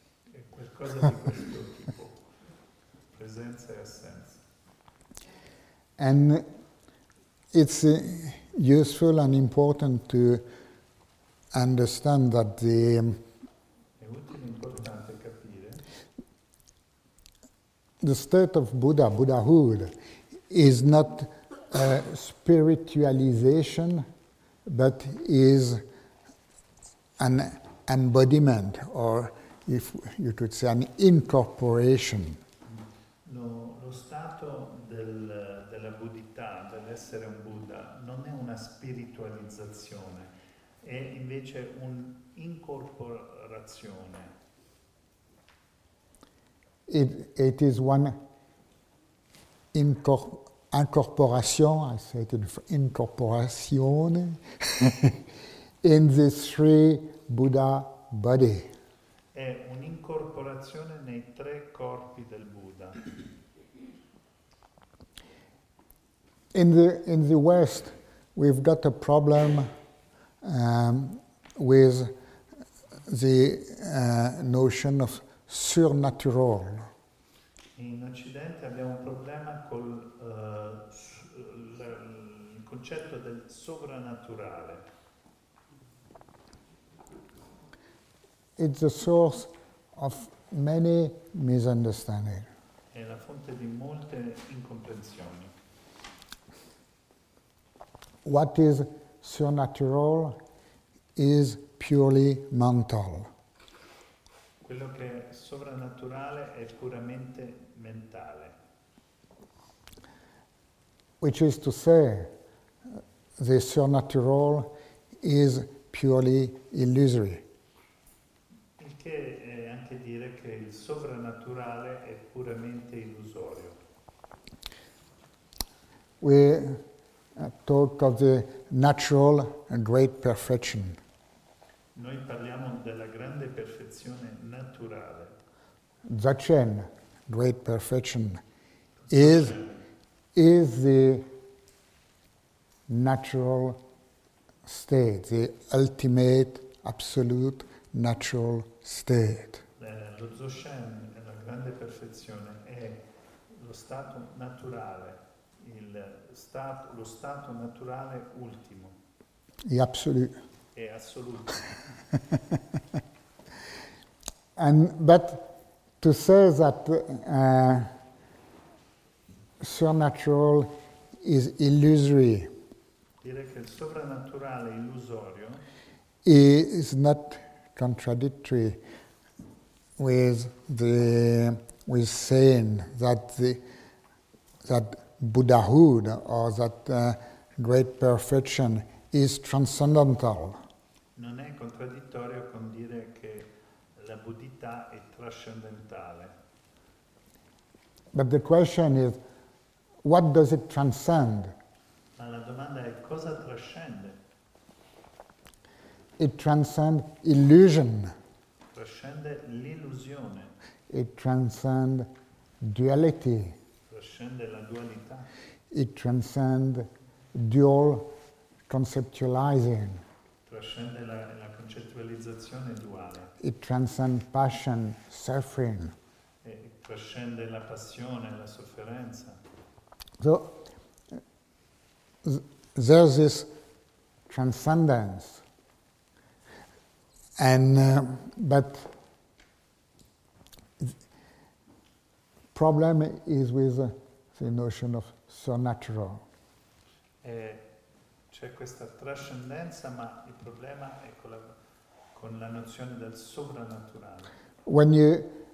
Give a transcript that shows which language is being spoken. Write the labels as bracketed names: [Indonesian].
[Italian] È qualcosa di questo tipo, presenza e assenza. [English] And it's useful and important to understand that the state of Buddha, Buddhahood, is not a spiritualization, but is an embodiment, or if you could say an incorporation. [Italian] Lo stato della buddhità, dell'essere un Buddha, non è una spiritualizzazione, è invece un'incorporazione. [English] It is one incorporation, I said incorporazione, in the three Buddha body. [Italian] È un'incorporazione nei tre corpi del Buddha. [English] In the West, we've got a problem with the notion of surnatural. [Italian] In Occidente abbiamo un problema col il concetto del sovrannaturale. [English] It's the source of many misunderstandings. [Italian] È la fonte di molte incomprensioni. [English] What is surnatural is purely mental. [Italian] Quello che è sovrannaturale è puramente mentale. [English] Which is to say, the surnatural is purely illusory. [Italian] Il che è anche dire che il sovrannaturale è puramente illusorio. [English] We talk of the natural and great perfection. [Italian] Noi parliamo della grande perfezione naturale. [English] Dzogchen, great perfection, is the natural state, the ultimate, absolute, natural state. [Italian] Lo Dzogchen, la grande perfezione, è lo stato naturale, lo stato naturale ultimo. [English] The absolute. [Italian] È assoluto. [English] But to say that supernatural is illusory, [Italian] dire che il soprannaturale è illusorio, [English] is not contradictory with saying that Buddhahood or that great perfection is transcendental. [Italian] Non è contraddittorio con dire che la buddhità è trascendentale. [English] But the question is, what does it transcend? [Italian] Ma la domanda è, cosa trascende? [English] It transcends illusion. [Italian] Trascende l'illusione. [English] It transcends duality. [Italian] Trascende la dualità. [English] It transcends dual conceptualizing. [Italian] Trascende la concettualizzazione duale. [English] It transcends passion, suffering. [Italian] E trascende la passione, la sofferenza. [English] So, there's this transcendence, but problem is with the notion of supernatural. [Italian] C'è questa trascendenza, ma il problema è con la nozione del sovrannaturale.